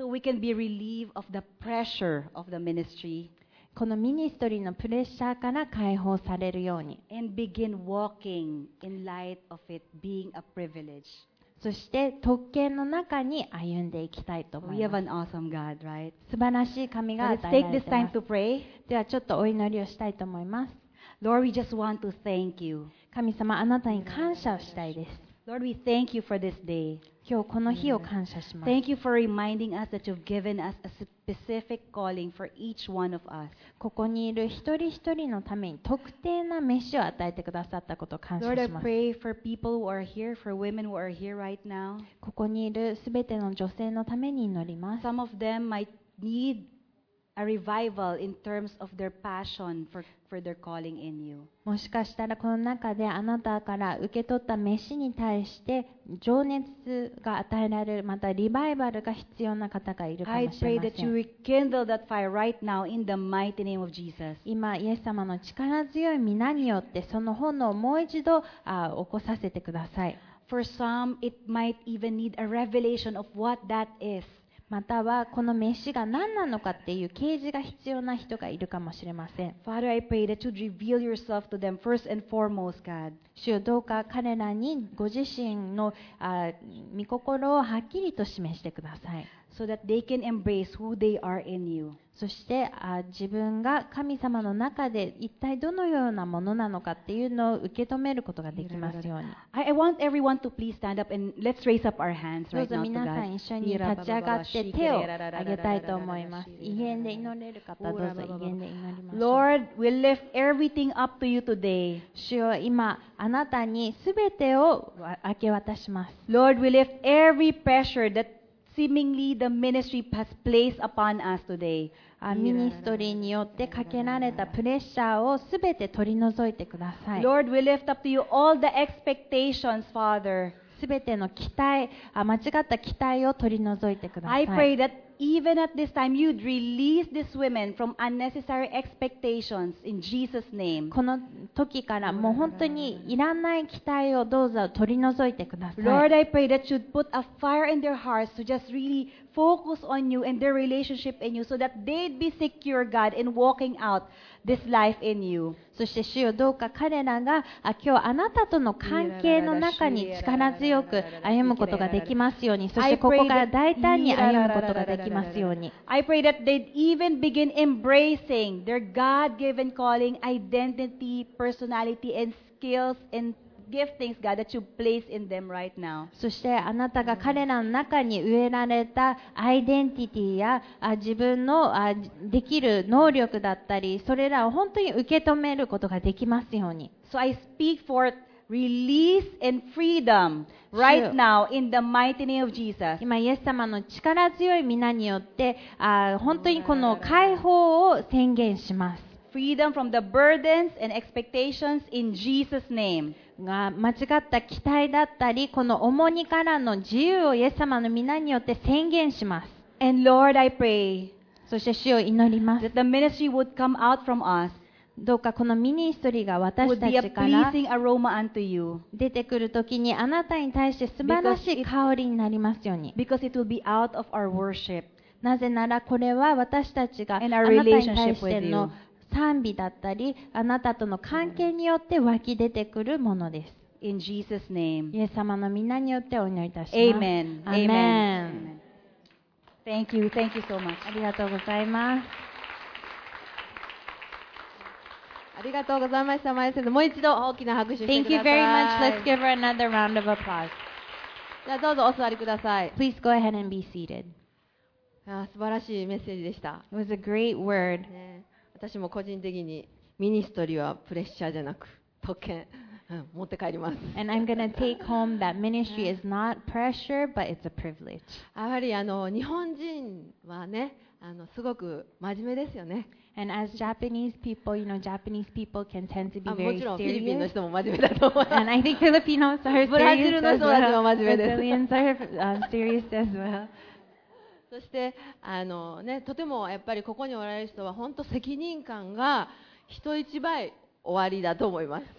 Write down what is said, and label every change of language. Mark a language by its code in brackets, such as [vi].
[en] So we can be relieved of the pressure of the ministry. [ja] このミニストリーのプレッシャーから解放されるように、 [en] And begin walking in light of it being a privilege. [ja] そして特権の中に歩んでいきたいと思います。 [en] We have an awesome God, right? [ja] 素晴らしい神が与えられています [en] 。 Let's take this time to pray. [ja] ではちょっとお祈りをしたいと思います。 [en] Lord, we just want to thank you. [ja] 神様、あなたに感謝をしたいです。 [en] Lord, we thank you for this day. [ja] 今日この日を感謝します。 [en] Thank you for reminding us that you've given us a specific calling for each one of us. [ja] ここにいる一人一人のために特定な召しを与えてくださったことを感謝します。 [en] Lord, I pray for people who are here, for women who are here right now. [ja] ここにいるすべての女性のために祈ります。 [en] Some of them might need a revival in terms of their passion for their calling in you. [ja] もしかしたらこの中であなたから受け取った召しに対して情熱が与えられる、またリバイバルが必要な方がいるかもしれません。 [en] I pray that you rekindle that fire right now in the mighty name of Jesus. [ja] 今イエス様の力強い御名によってその炎をもう一度起こさせてください。 [en] For some, it might even need a revelation of what that is. [ja] またはこの召しが何なのかっていう啓示が必要な人がいるかもしれません。 [en] Father, I pray that you'd reveal yourself to them first and foremost, God. [ja] 主よ、どうか彼らにご自身の御心をはっきりと示してください。 [en] So that they can embrace who they are in you. [ja] そして自分が神様の中で一体どのようなものなのかっていうのを受け止めることができますように。 [en] I want everyone to please stand up and let's raise up our hands right now. [ja] どうぞ皆さん一緒に立ち上がって手を挙げたいと思います。異言で祈れる方どうぞ異言で祈りましょう。 [en] Lord, we lift everything up to you today. [ja] 主よ、今あなたにすべてを明け渡します。 [en] Lord, we lift every pressure thatSeemingly, the ministry has placed upon us today. [ja] Ministry によってかけられたプレッシャーをすべて取り除いてください。 [en] Lord, we lift up to you all the expectations, Father. [ja] すべての期待、間違った期待を取り除いてください。 [en] I pray that even at this time you'd release these women from unnecessary expectations in Jesus' name. [ja] この時からもう本当にいらない期待をどうぞ取り除いてください。 [en] Lord, I pray that you'd put a fire in their hearts to just really focus on you and their relationship in you so that they'd be secure, God, in walking out this life in you. [ja] そして主よ、どうか彼らが今日あなたとの関係の中に力強く歩むことができますように、そしてここから大胆に歩むことができますように。 [en] I pray that they'd even begin embracing their God-given calling, identity, personality, and skills andGiftings, God, that you place in them right now. [ja] そしてあなたが彼らの中に植えられたアイデンティティや自分のできる能力だったり、それらを本当に受け止めることができますように。 [en] So I speak for release and freedom right now in the mighty name of Jesus. [ja] 今イエス様の力強い御名によって本当にこの解放を宣言します。 [en] Freedom from the burdens and expectations in Jesus' name. [ja] が間違った期待だったり、この重荷からの自由をイエス様の御名によって宣言します。 [en] And Lord, I pray, [ja] そして主を祈ります。 [en] That the ministry would come out from us. [ja] どうかこのミニストリーが私たちから [en] pleasing aroma unto you. [ja] 出てくるときにあなたに対して素晴らしい香りになりますように。 [en] Because it will be out of our worship. [ja] なぜならこれは私たちがあなたに対しての賛美だったり、あなたとの関係によって湧き出てくるものです。 [en] In Jesus' name. [ja] イエス様の御名によってお祈りいたします。 [en] Amen. Amen. Amen. Thank you. Thank you so much. [ja] ありがとうございます。ありがとうございました。マイセンス、もう一度大きな拍手してください。 [en] Thank you very much. Let's give her another round of applause. [ja] じゃあどうぞお座りください。 [en] Please go ahead and be seated. [ja] あ、素晴らしいメッセージでした。 [en] It was a great word. [ja] 私も個人的にミニストリーはプレッシャーじゃなく特権持って帰ります。 [en] And I'm gonna take home that ministry is not pressure, but it's a privilege. [ja] やはり日本人はね、すごく真面目ですよね。 [en] And as Japanese people, you know, Japanese people can tend to be very serious. [ja] もちろんフィリピンの人も真面目だと思います。 [en] And I think Filipinos are serious. [ja] ブラジルの人たちも真面目です。 [en] Brazilians are serious as well. [ja] そしてね、とてもやっぱりここにおられる人は本当責任感が人一倍おありだと思います。